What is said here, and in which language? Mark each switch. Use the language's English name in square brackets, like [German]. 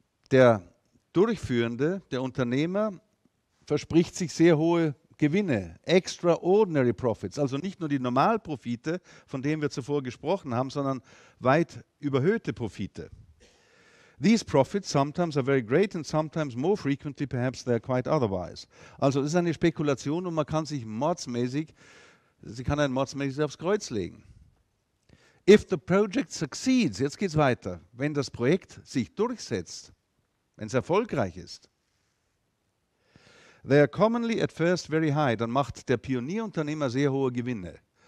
[German] Der Durchführende, der Unternehmer, verspricht sich sehr hohe Gewinne, [English] extraordinary profits, [German] also nicht nur die Normalprofite, von denen wir zuvor gesprochen haben, sondern weit überhöhte Profite. [English] These profits sometimes are very great and sometimes more frequently perhaps they are quite otherwise. [German] Also es ist eine Spekulation und man kann sich mordsmäßig, sie kann einen mordsmäßig aufs Kreuz legen. [English] If the project succeeds, [German] jetzt geht's weiter, wenn das Projekt sich durchsetzt, wenn es erfolgreich ist, [English] they are commonly at first very high, [German] dann macht der Pionierunternehmer sehr hohe Gewinne.